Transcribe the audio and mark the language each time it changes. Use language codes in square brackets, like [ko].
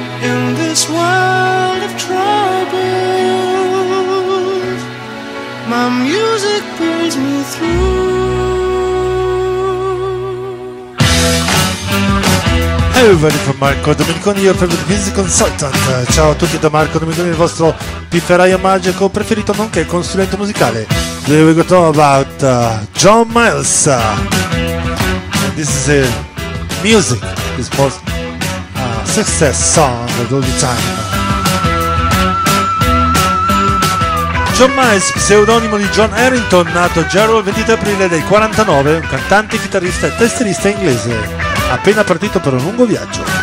[en] In this world of troubles, my music pulls me through. Hey everybody, from Marco Domenicone, your favorite music consultant. [it] Ciao a tutti da Marco Domenicone, il vostro pifferaio magico preferito, nonché consulente musicale. [en] Today we're gonna talk about John Miles. This is music, this was a success song. All the time. [it] John Miles, pseudonimo di John Harrington, nato Gerald il 23 aprile del 49, un cantante, chitarrista e tastierista inglese, appena partito per un lungo viaggio.